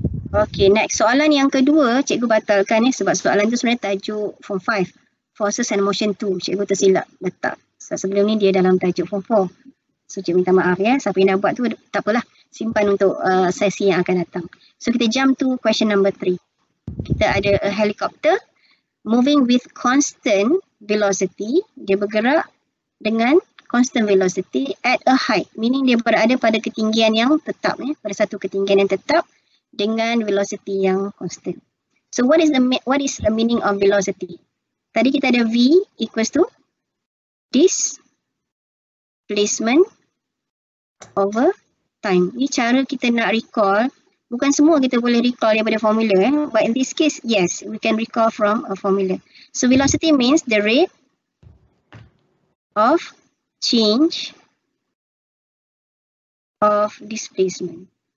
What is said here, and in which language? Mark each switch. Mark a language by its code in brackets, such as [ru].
[en] Okay, next. [ms] Soalan yang kedua, cikgu batalkan sebab soalan tu sebenarnya tajuk form 5. Forces and motion 2. Cikgu tersilap letak. Sebelum ni dia dalam tajuk form 4. So, cikgu minta maaf ya. Siapa yang dah buat tu, tak apalah. Simpan untuk sesi yang akan datang. So, kita jump to question number 3. Kita ada [en] a helicopter moving with constant velocity. [ms] Dia bergerak dengan constant velocity [en] at a height. [ms] Meaning dia berada pada ketinggian yang tetap. Ya. Pada satu ketinggian yang tetap dengan velocity yang constant. [en] So, what is the meaning of velocity? [ms] Tadi kita ada [en] V equals to displacement over time. [ms] Ini cara kita nak recall. Bukan semua kita boleh recall daripada formula. [en] But in this case, yes, we can recall from a formula. So velocity means the rate of change of displacement.